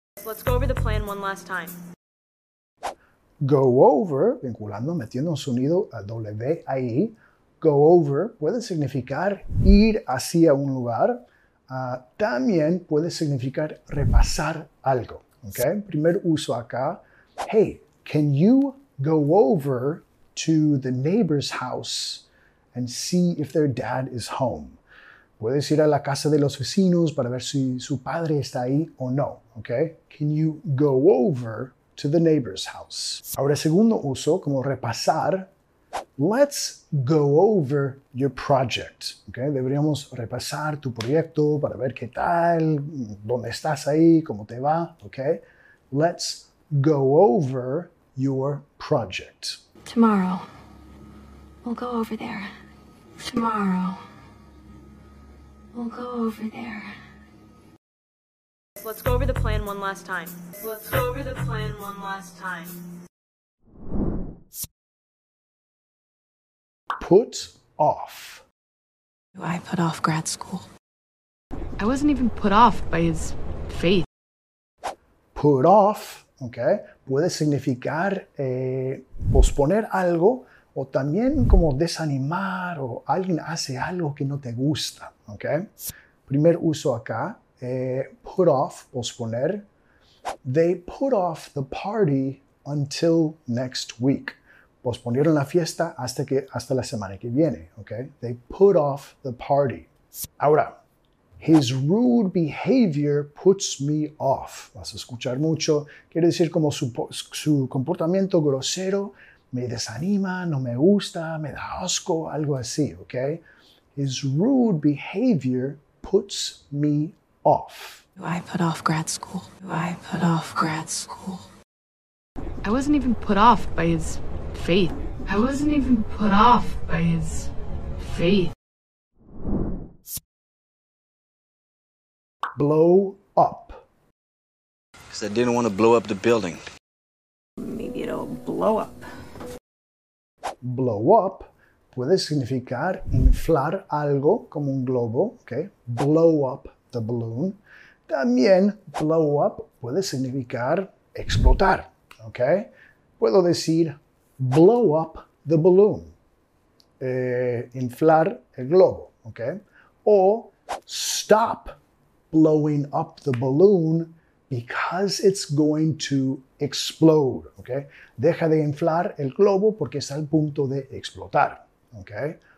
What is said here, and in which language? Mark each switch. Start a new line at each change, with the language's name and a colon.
English: Let's go over the plan one last time.
Spanish: Go over, vinculando, metiendo un sonido W ahí. Go over puede significar ir hacia un lugar. También puede significar repasar algo. Okay? Primer uso acá.
English: Hey, can you go over to the neighbor's house and see if their dad is home?
Spanish: Puedes ir a la casa de los vecinos para ver si su padre está ahí o no.
English: Okay? Can you go over to the neighbor's house.
Spanish: Ahora, segundo uso, como repasar.
English: Let's go over your project. Okay?
Spanish: Deberíamos repasar tu proyecto para ver qué tal, dónde estás ahí, cómo te va.
English: Okay? Let's go over your project. Tomorrow, we'll go over there. Tomorrow, we'll go over there. Let's go over the plan one last time. Let's go over the plan one last time. Put off. Do I put off grad school? I wasn't even put off by his faith.
Spanish: Put off, okay, puede significar posponer algo o también como desanimar o alguien hace algo que no te gusta, okay? Primer uso acá. Put off, posponer.
English: They put off the party until next week.
Spanish: Posponieron la fiesta hasta la semana que viene, okay?
English: They put off the party. Ahora, his rude behavior puts me off.
Spanish: Vas a escuchar mucho. Quiere decir como su comportamiento grosero me desanima, no me gusta, me da asco, algo así, okay?
English: His rude behavior puts me off. Off. Do I put off grad school? Do I put off grad school? I wasn't even put off by his faith. I wasn't even put off by his faith. Blow up. Because I didn't want to blow up the building. Maybe it'll blow up.
Spanish: Blow up puede significar inflar algo como un globo, okay?
English: Blow up. The balloon.
Spanish: También blow up puede significar explotar, ¿ok? Puedo decir
English: blow up the balloon,
Spanish: inflar el globo, ¿ok?
English: O stop blowing up the balloon because it's going to explode,
Spanish: ¿ok? Deja de inflar el globo porque está al punto de explotar, ¿ok?